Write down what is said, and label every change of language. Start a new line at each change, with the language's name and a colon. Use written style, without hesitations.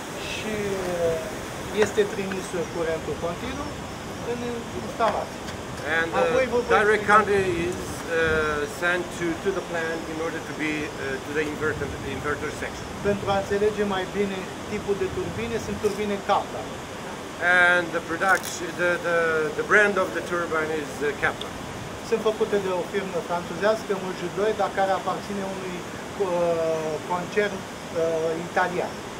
Romanian: Și este trimis curentul continuu în instalat.
English: And direct current is sent to the plant in order to be to the inverter section.
Romanian: Pentru a înțelege mai bine tipul de turbine, sunt turbine Kaplan.
English: And the production, the brand of the turbine is Kaplan.
Romanian: Sunt făcute de o firmă franceză, Mojudoi, dar care aparține unui concern italian.